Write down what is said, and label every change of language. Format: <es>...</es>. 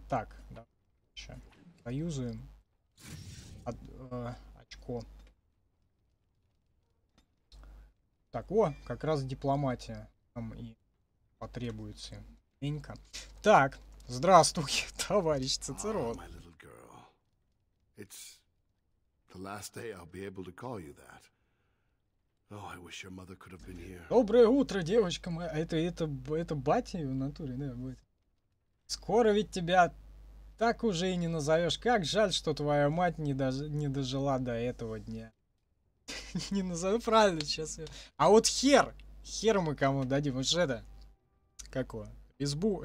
<ru>Так, да, еще. Союзуем. Очко. Так, о, как раз дипломатия нам и потребуется. Ненька. Так, здравствуй, товарищ Цицерон.</ru> <en>The last day I'll be able to call you that. Oh, I wish your mother could have been here.</en> <ru>Доброе утро, девочка моя. Это батя в натуре, да, будет. Скоро ведь тебя так уже и не назовешь. Как жаль, что твоя мать не дожила до этого дня. Не назову, правильно, сейчас. А вот хер! Хер мы кому дадим. Уж это. Какое? Избу.</ru>